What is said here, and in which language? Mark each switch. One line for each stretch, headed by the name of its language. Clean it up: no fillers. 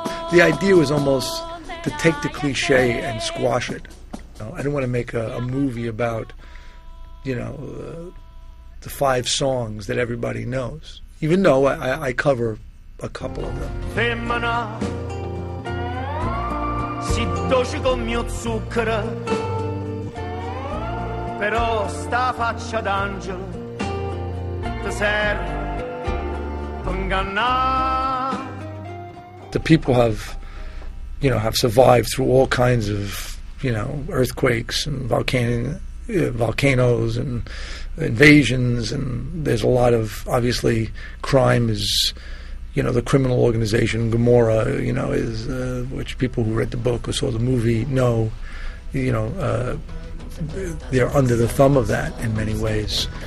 English: The idea was almost to take the cliche and squash it. You know, I didn't want to make a movie about, you know, the five songs that everybody knows, even though I cover a couple of them.
Italian: Femmina, si dolce con mio zucchero, però sta faccia d'angelo ti serve ingannare.
English: The people have, you know, have survived through all kinds of, you know, earthquakes and volcanoes and invasions. And there's a lot of, obviously, crime is, you know, the criminal organization, Gomorra, you know, is, which people who read the book or saw the movie know, you know, they're under the thumb of that in many ways.